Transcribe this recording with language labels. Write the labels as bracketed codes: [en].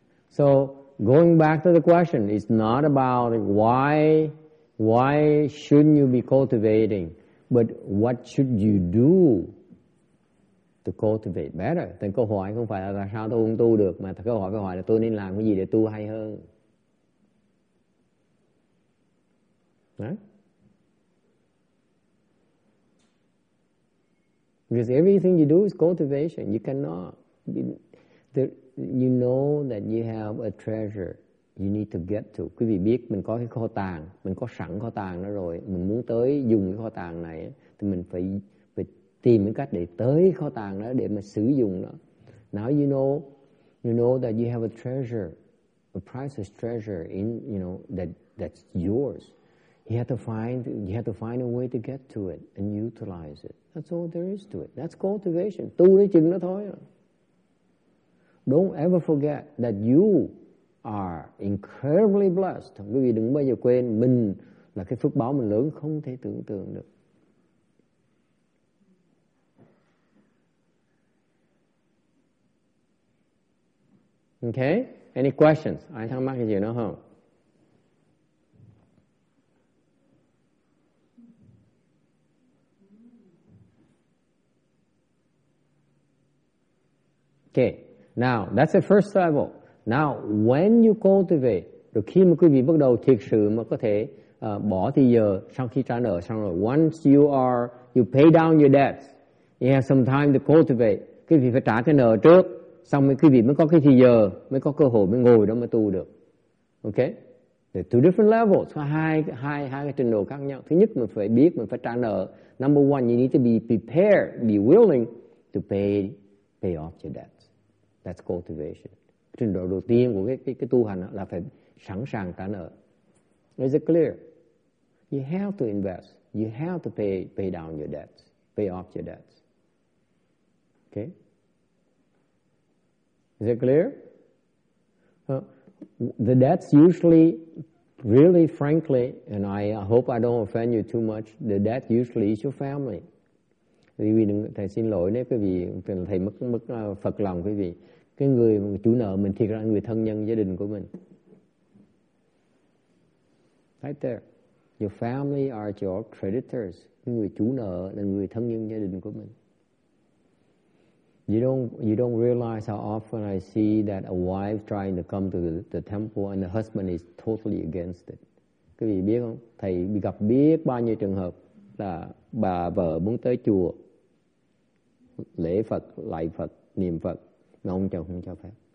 [en] So going back to the question, it's not about why shouldn't you be cultivating, but what should you do to cultivate better. [vi] Thì câu hỏi không phải là tại sao tôi không tu được, mà câu hỏi là tôi nên làm cái gì để tu hay hơn. [en] Because everything you do is cultivation. You cannot. You know that you have a treasure you need to get to. [vi] Quý vị biết mình có cái kho tàng, mình có sẵn kho tàng đó rồi, mình muốn tới dùng cái kho tàng này thì mình phải tìm cái cách để tới kho tàng đó để mà sử dụng nó. [en] Now you know that you have a treasure, a priceless treasure in, you know, that's yours. You have to find a way to get to it and utilize it. That's all there is to it. That's cultivation. [vi] Tu đến chừng đó thôi. [en] Don't ever forget that you are incredibly blessed. [vi] Quý vị đừng bao giờ quên mình là cái phước báo mình lớn không thể tưởng tượng được. [en] Okay? Any questions? [vi] Ai thắc mắc gì nữa không? [en] Okay. Now, that's the first level. Now, when you cultivate, [vi] rồi khi mà quý vị bắt đầu thiệt sự mà có thể bỏ thì giờ sau khi trả nợ xong rồi, [en] once you pay down your debts, you have some time to cultivate, [vi] quý vị phải trả cái nợ trước. Xong quý vị mới có cái thời giờ, mới có cơ hội, mới ngồi đó mới tu được. Ok? [en] The two different levels, [vi] hai cái trình độ khác nhau. Thứ nhất, mình phải biết, mình phải trả nợ. [en] Number one, you need to be prepared, be willing to pay off your debts. That's cultivation. [vi] Trình độ đầu tiên của cái tu hành là phải sẵn sàng trả nợ. [en] Is it clear? You have to invest. You have to pay down your debts. Pay off your debts. Ok? Is it clear? The debts usually, really frankly, and I hope I don't offend you too much, the debt usually is your family. [vi] Thầy xin lỗi nếu quý vị, thầy mất Phật lòng quý vị. Cái người chủ nợ mình thiệt là người thân nhân gia đình của mình. [en] Right there. Your family are your creditors. [vi] Cái người chủ nợ là người thân nhân gia đình của mình. [en] You don't realize how often I see that a wife trying to come to the temple and the husband is totally against it. [vi] Quý vị biết không? Thầy gặp biết bao nhiêu trường hợp là bà vợ muốn tới chùa lễ Phật, lạy Phật, niệm Phật, mà ông chồng không cho phép.